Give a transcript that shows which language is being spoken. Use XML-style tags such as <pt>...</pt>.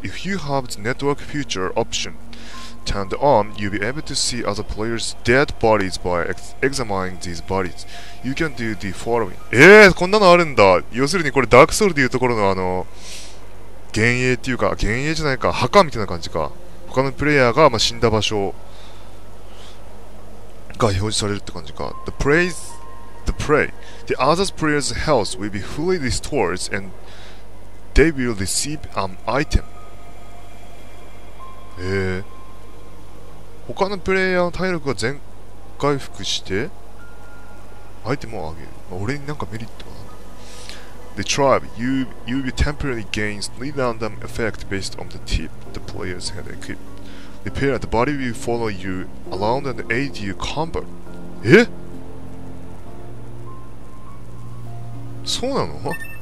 <en>If you have the network feature option. Turned on, you'll be able to see other players' dead bodies by examining these bodies. You can do the following.</en> <ja>こんなのあるんだ。要するにこれダークソウルでいうところのあの幻影っていうか、幻影じゃないか、墓みたいな感じか。他のプレイヤーが、まあ、死んだ場所が表示されるって感じか。</ja> <en>The other player's health will be fully restored and they will receive an item.</en> <ja>他のプレイヤーの体力が全回復して、アイテムを上げる。まあ、俺になんかメリットはある。</ja> <en>The tribe, you will temporarily gain three random effect based on the tip the players had equipped. The pair, the body will follow you around and aid you combat.</en> <ja>そうなの？</ja>